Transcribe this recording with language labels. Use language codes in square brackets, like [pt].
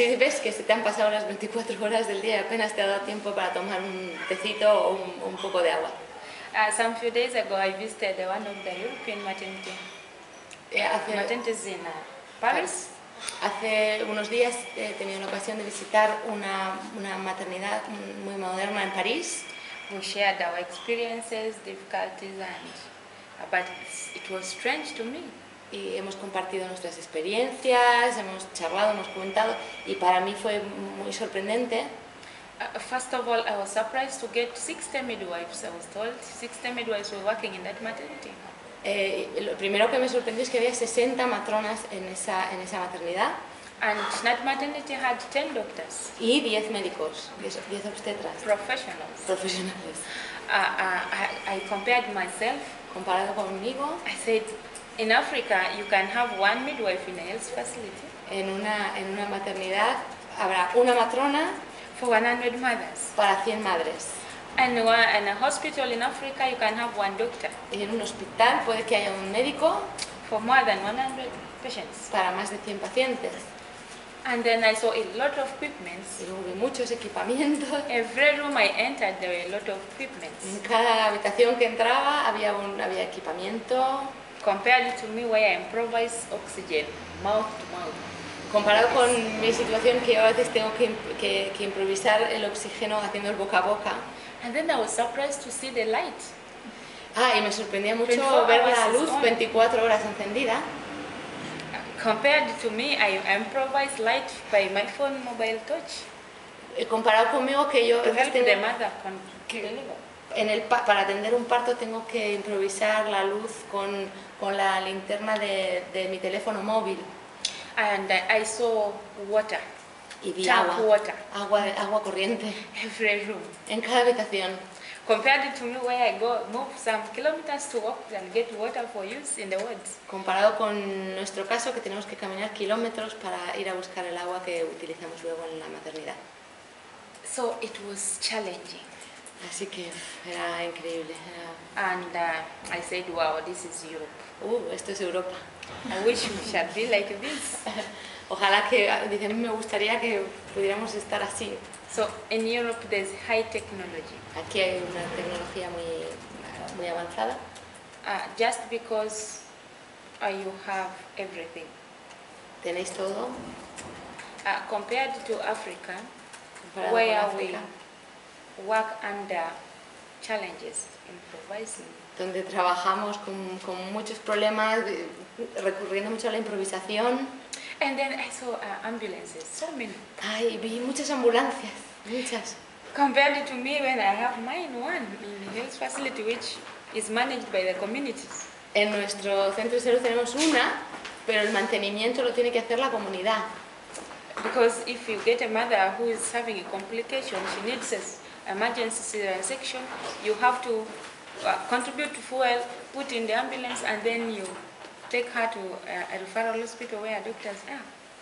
[es] Si así ves que se te han pasado las 24 horas del día y apenas te ha dado tiempo para tomar un tecito o un poco de agua. [en] Some few days ago I visited one of the European maternities in Paris. [es] Hace unos días he tenido la ocasión de visitar una maternidad muy moderna en París. [en] We shared our experiences, difficulties and but it was strange to me. [es] Y hemos compartido nuestras experiencias, hemos charlado, hemos comentado y para mí fue muy sorprendente. [en] First of all, I was surprised to get 60 midwives. I was told 60 midwives were working in that maternity. [es] Lo primero que me sorprendió es que había 60 matronas en esa maternidad. [en] And that maternity had 10 doctors. [es] Y 10 médicos, 10 obstetras. [en] Professionals. I compared myself. [es] Comparado conmigo, [en] I said, in Africa you can have one midwife in a health facility. [es] En una maternidad habrá una matrona [en] for 100 mothers. [es] Para 100 madres. [en] And in a hospital in Africa you can have one doctor. [es] Y en un hospital puede que haya un médico [en] for more than 100 patients. [es] Para más de 100 pacientes. [en] And then I saw a lot of equipment. [es] Y luego vi muchos equipamientos. [en] Every room I entered, there were a lot of equipment. [es] En cada habitación que entraba había equipamiento. [en] Compared to me, where I improvise oxygen mouth to mouth. [es] Comparado con mi situación, que yo a veces tengo que improvisar el oxígeno haciendo el boca a boca. [en] And then I was surprised to see the light. [es] Y me sorprendía mucho ver la luz 24 horas encendida. [en] Compared to me, I improvise light by my phone, mobile touch. [es] Comparado conmigo que yo para atender un parto tengo que improvisar la luz con la linterna de mi teléfono móvil. [en] And I saw water. [es] Y vi [en] tap [es] agua. [en] Water. [es] Agua corriente. [en] Every room. [es] En cada habitación. [en] Compared to me, where I go, move some kilometers to walk and get water for use in the woods. [es] Comparado con nuestro caso, que tenemos que caminar kilómetros para ir a buscar el agua que utilizamos luego en la maternidad. [en] So it was challenging. [es] Así que era increíble. [en] And I said, wow, this is Europe. [es] Esto es Europa. [en] I wish we should be like this. [es] Ojalá que, dice, me gustaría que pudiéramos estar así. [en] So in Europe there's high technology. [es] Aquí hay una tecnología muy muy avanzada. [en] Just because you have everything. [es] Tenéis todo. [en] Compared to Africa, [es] comparado [en] where [es] con África, [en] we work under challenges, improvising. [es] Donde trabajamos con muchos problemas, recurriendo mucho a la improvisación. [en] And then I saw ambulances, so many. [es] Y vi muchas ambulancias, muchas. [en] Compared to me, when I have mine one in health facility, which is managed by the communities. [es] En nuestro centro de salud tenemos una, pero el mantenimiento lo tiene que hacer la comunidad. [en] Because if you get a mother who is having a complication, she needs an emergency cesarean section, you have to contribute to fuel, put in the ambulance, and then you take her to a referral hospital where doctors are.